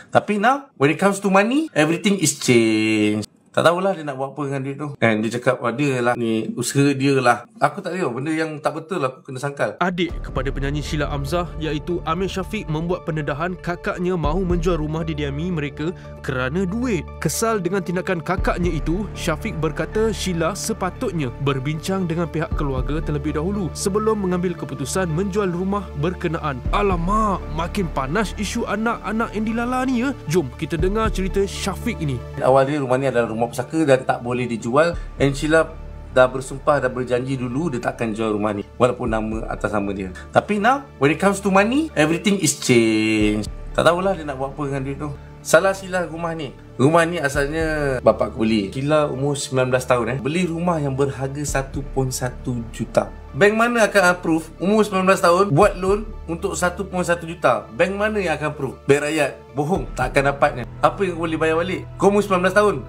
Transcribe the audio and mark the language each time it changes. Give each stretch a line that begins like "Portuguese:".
English: Tapi now, when it comes to money, everything is changed.
Malay: Tak tahulah dia nak buat apa dengan duit tu. And dia cakap, oh, dia lah ni, usaha dia lah. Aku tak tahu, benda yang tak betul aku kena sangkal. Adik kepada penyanyi Sheila Amzah, iaitu Amir Syafiq, membuat pendedahan kakaknya mahu menjual rumah didiami mereka kerana duit. Kesal dengan tindakan kakaknya itu, Syafiq berkata Sheila sepatutnya berbincang dengan pihak keluarga terlebih dahulu sebelum mengambil keputusan menjual rumah berkenaan. Alamak, makin panas isu anak-anak yang dilala ni ya. Jom kita dengar cerita Syafiq ini. Awalnya rumah ni adalah rumah pusaka dan tak boleh dijual. And Sheila dah bersumpah, dah berjanji dulu dia takkan jual rumah ni walaupun nama atas nama dia.
English: Tapi now, when it comes to money, everything is changed.
Malay: Tak tahulah dia nak buat apa dengan duit tu. Salah Sheila rumah ni. Rumah ni asalnya bapak aku beli. Sheila umur 19 tahun beli rumah yang berharga 1.1 juta. Bank mana akan approve umur 19 tahun buat loan untuk 1.1 juta? Bank mana yang akan approve? Bank rakyat. Bohong. Tak akan dapatnya. Apa yang kau boleh bayar balik? Kau umur 19 tahun.